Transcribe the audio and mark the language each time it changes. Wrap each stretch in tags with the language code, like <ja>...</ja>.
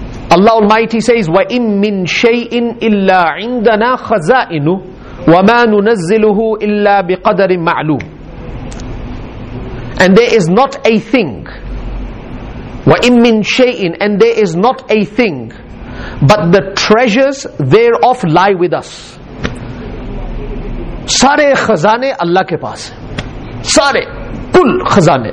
<en>Allah Almighty says,</en> <ar>وَإِن مِّن شَيْءٍ إِلَّا عِنْدَنَا خَزَائِنُ وَمَا نُنَزِّلُهُ إِلَّا بِقَدَرٍ مَعْلُومٍ.</ar> <en>And there is not a thing,</en> <ar>وَإِن مِّن شَيْءٍ,</ar> <en>and there is not a thing, but the treasures thereof lie with us.</en> <ur>سارے خزانے اللہ کے پاس ہیں, سارے کل خزانے.</ur>